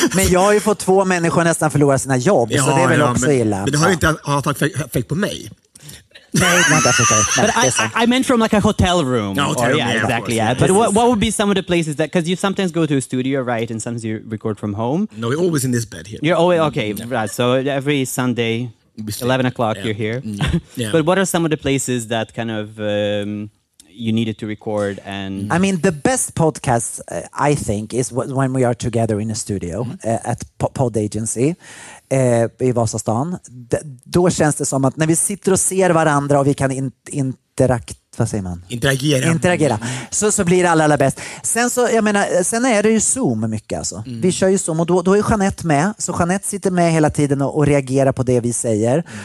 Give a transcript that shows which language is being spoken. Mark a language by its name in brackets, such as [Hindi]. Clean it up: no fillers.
[Swedish] Men jag har ju fått två människor nästan förlora sina jobb. Ja, så det är väl också illa. Men det har ju inte haft effekt på mig. [English] No, but I meant from like a hotel room. Yeah, exactly. But what would be some of the places that? Because you sometimes go to a studio, right? And sometimes you record from home. No, we're always in this bed here. You're always okay. Yeah. Right. So every Sunday, 11 o'clock, yeah. You're here. Yeah. Yeah. But what are some of the places that kind of you needed to record? And I mean, the best podcast I think is when we are together in a studio at Pod Agency. [Swedish] I Vasastan, då känns det som att när vi sitter och ser varandra och vi kan interagera, så blir det allra bäst. Sen är det ju Zoom mycket, alltså. Vi kör ju Zoom och då är Jeanette med, så Jeanette sitter med hela tiden och reagerar på det vi säger.